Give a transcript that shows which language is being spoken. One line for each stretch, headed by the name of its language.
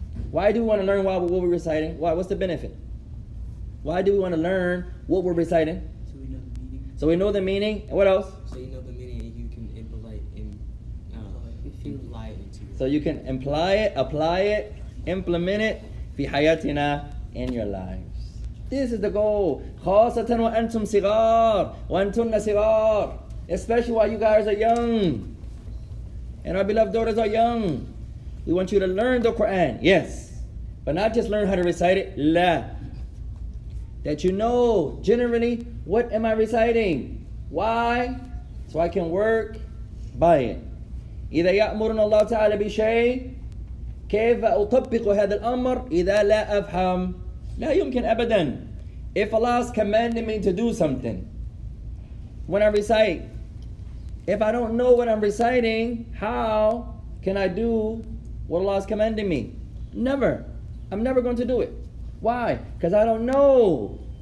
English: Why do we want to learn what we're reciting? Why? What's the benefit? Why do we want to learn what we're reciting? So we know the meaning. So we know the meaning. And what else? So you know the meaning and you can imply it into it. So you can imply it, apply it, implement it
Arabic: في حياتنا
English: in your lives. This is the goal.
Arabic: خاصة وأنتم صغار وأنتم صغار.
English: Especially while you guys are young. And our beloved daughters are young. We want you to learn the Quran. Yes. But not just learn how to recite it. La. That you know generally what am I reciting. Why? So I can work by it.
Arabic: إذا يأمرنا الله تعالى بشيء كيف أطبق هذا الأمر إذا لا أفهم. لا يمكن أبدا.
English: If Allah is commanding me to do something, when I recite, if I don't know what I'm reciting, how can I do what Allah is commanding me? Never. I'm never going to do it. Why? Because I don't know.